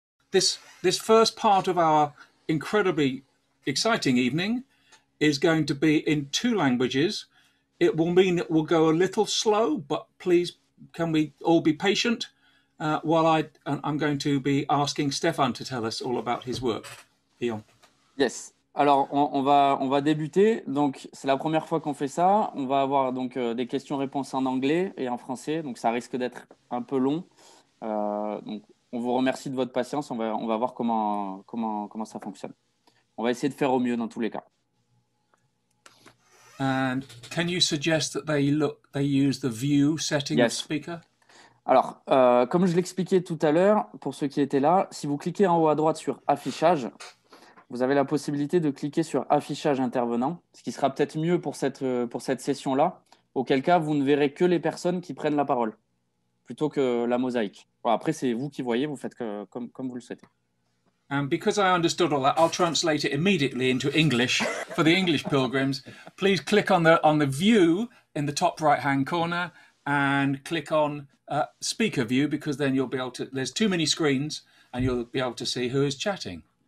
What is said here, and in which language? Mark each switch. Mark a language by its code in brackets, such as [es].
[en] this first part of our incredibly exciting evening is going to be in two languages. It will mean it will go a little slow, but please, can we all be patient while I'm going to be asking Stefan to tell us all about his work. Ion. [fr] Yes. Alors, on va débuter. Donc, c'est la première fois qu'on fait ça. On va avoir donc des questions-réponses en anglais et en français. Donc, ça risque d'être un peu long. Donc, on vous remercie de votre patience. On va voir comment ça fonctionne. On va essayer de faire au mieux dans tous les cas. [en] And can you suggest that they use the view setting yes. of speaker? [fr] Alors, comme je l'expliquais tout à l'heure, pour ceux qui étaient là, si vous cliquez en haut à droite sur affichage, vous avez la possibilité de cliquer sur affichage intervenant, ce qui sera peut-être mieux pour cette session-là, auquel cas vous ne verrez que les personnes qui prennent la parole, plutôt que la mosaïque. Bon, après, c'est vous qui voyez, vous faites comme vous le souhaitez. [en] And because I understood all that, I'll translate it immediately into English for the English pilgrims. Please click on the view in the top right-hand corner and click on speaker view, because then you'll be able to, there's too many screens and you'll be able to see who is chatting.